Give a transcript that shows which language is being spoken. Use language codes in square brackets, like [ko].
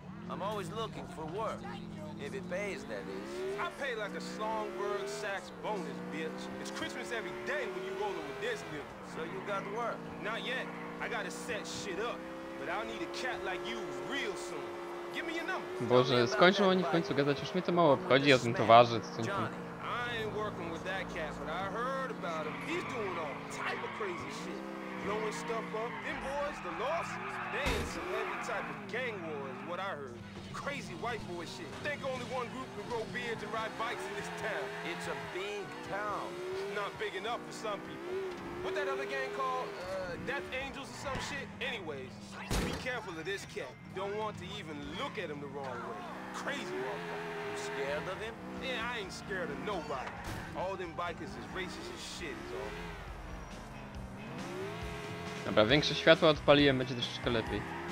[en] I'm always looking for work. If it pays, that is. I pay like a Songbird Sax bonus, bitch. It's Christmas every day when you rolling with this bitch. So you got to work? Not yet. I gotta set shit up. But I'll need a cat like you real soon. Give me your number. [pl] Boże, skończą oni w końcu gadać. Już mnie to mało obchodzi, o tym towarzyszy. [en] Johnny, I ain't working with that cat, but I heard about him. He's doing all type of crazy shit. Blowing stuff up. Them boys, the losses. They in some heavy type of gang war is what I heard. Crazy white boy shit. Think only one group can grow beards and ride bikes in this town. It's a big town. Not big enough for some people. What that other gang called? Death Angels or some shit? Anyways, be careful of this cat. Don't want to even look at him the wrong way. Crazy motherfucker. You scared of him? Yeah, I ain't scared of nobody. All them bikers is racist as shit, is all. [pl] Dobra, większe światło odpaliłem, będzie troszeczkę lepiej.